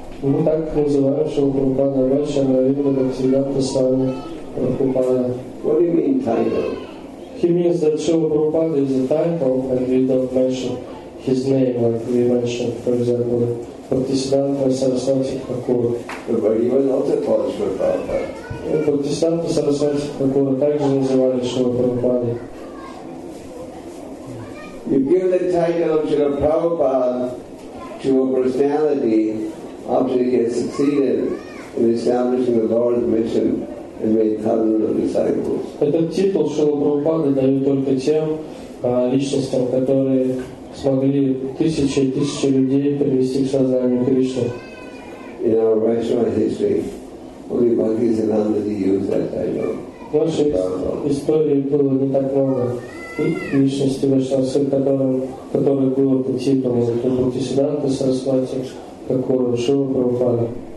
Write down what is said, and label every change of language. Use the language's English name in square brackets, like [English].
[English] What do you mean title? He means that Srila Prabhupada is a title and we don't mention his name like we mentioned, for example, Bhaktisiddhanta Saraswati Thakur. But he was also called Srila Prabhupada. [Russian] Бхактисиддханта Сарасвати Такура также называли Шрила Прабхупада. [English] You give the title of Shrila Prabhupada to a personality after he has succeeded in establishing the Lord's mission and made thousands of disciples. [Russian] Этот титул Шрила Прабхупада дают только тем личностям, которые смогли тысячи и тысячи людей привести к сознанию Кришны. [English] In our Vaishnava history, only Bhaktisiddhanta used that title. [Russian] В нашей истории было не так много личности Вайшнава, которым, который был прототипом Бхактисиддханта Сарасвати, как у Шрилы Прабхупады.